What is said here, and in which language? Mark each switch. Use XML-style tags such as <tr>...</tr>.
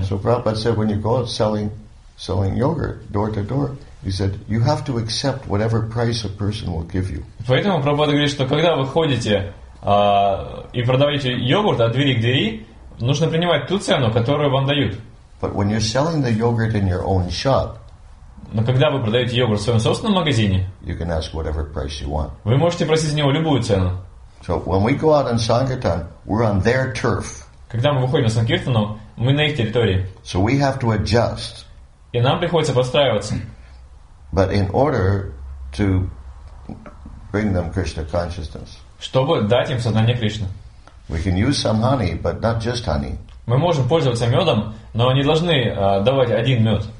<en>So Prabhupada said, when you go out selling yogurt door to door, he said, you have to accept whatever price a person will give you.</en> <ru>Поэтому Прабхупада говорит, что когда вы ходите и продаете йогурт от двери к двери, нужно принимать ту цену, которую вам дают.</ru> <en>But when you're selling the yogurt in your own shop,</en> <ru>но когда вы продаете йогурт в своем собственном магазине,</ru> <en>you can ask whatever price you want.</en> <ru>Вы можете просить за него любую цену.</ru> <en>So when we go out on sankirtan, we're on their turf.</en> <ru>Когда мы выходим на санкиртану, мы на их территории.</ru> <en>So we have to adjust.</en> <ru>И нам приходится подстраиваться.</ru> <en>But in order to bring them Krishna consciousness,</en> <ru>чтобы дать им сознание Кришны.</ru> <en>We can use some honey, but not just honey.</en> <ru>Мы можем пользоваться медом, но не должны давать один мед.</ru>